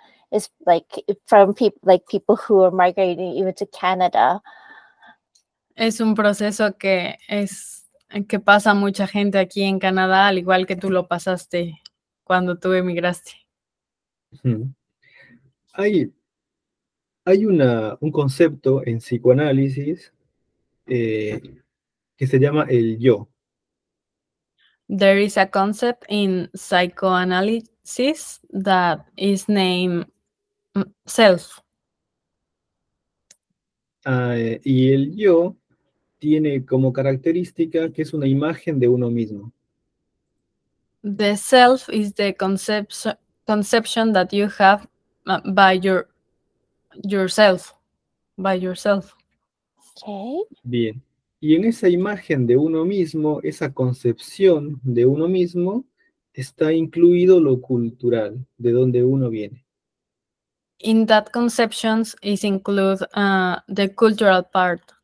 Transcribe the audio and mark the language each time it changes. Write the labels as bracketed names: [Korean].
[English] It's like from people who are migrating even to Canada. [Spanish] Es un proceso que pasa mucha gente aquí en Canadá, al igual que tú lo pasaste cuando tú emigraste. Hay un concepto en psicoanálisis que se llama el yo. [English] There is a concept in psychoanalysis that is named self. [Spanish] Y el yo tiene como característica que es una imagen de uno mismo. [English] The self is the conception that you have by yourself. Okay. [Spanish] Bien. Y en esa imagen de uno mismo, esa concepción de uno mismo, está incluido lo cultural, de donde uno viene. [English] In that conceptions is include the cultural part.